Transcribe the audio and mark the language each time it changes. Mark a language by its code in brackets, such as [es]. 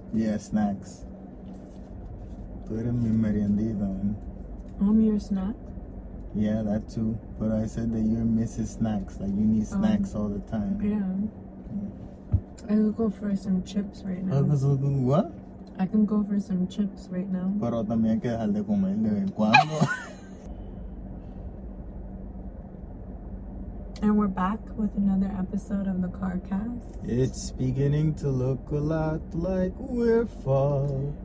[en] Yeah, snacks. [es] Tú eres mi meriendita, man. [en] I'm your snack? Yeah, that too. But I said that you're Mrs. Snacks. Like, you need snacks all the time. Yeah. I could go for some chips right now. What? I can go for some chips right now. [es] Pero también hay que dejar de comer de vez en cuando. [en] And we're back with another episode of the CarCast. It's beginning to look a lot like we're fall.